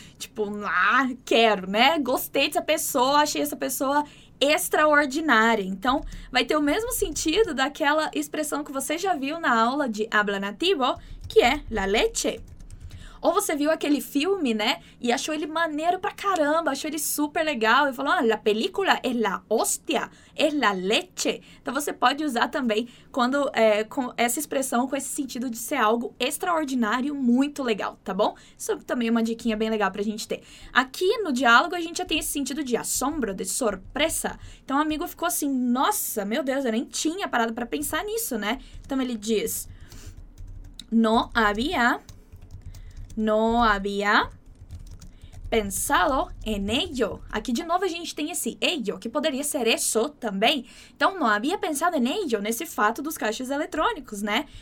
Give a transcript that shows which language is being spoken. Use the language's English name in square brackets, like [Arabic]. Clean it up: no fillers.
[Portuguese] Tipo, ah, quero, né? Gostei dessa pessoa, achei essa pessoa extraordinária. Então, vai ter o mesmo sentido daquela expressão que você já viu na aula de habla nativo, que é la leche. Ou você viu aquele filme, né? E achou ele maneiro pra caramba, achou ele super legal. E falou, [Spanish] ah, la película es la hostia, es la leche. [Portuguese] Então você pode usar também quando, com essa expressão, com esse sentido de ser algo extraordinário, muito legal, tá bom? Isso é também uma diquinha bem legal pra gente ter. Aqui no diálogo a gente já tem esse sentido de assombro, de sorpresa. Então o amigo ficou assim, nossa, meu Deus, eu nem tinha parado pra pensar nisso, né? Então ele diz, no había... [Spanish] No había pensado en ello. [Portuguese] Aqui de novo a gente tem esse ello, que poderia ser eso também. Então, [Spanish] no había pensado en ello, [Portuguese] nesse fato dos caixas eletrônicos, né?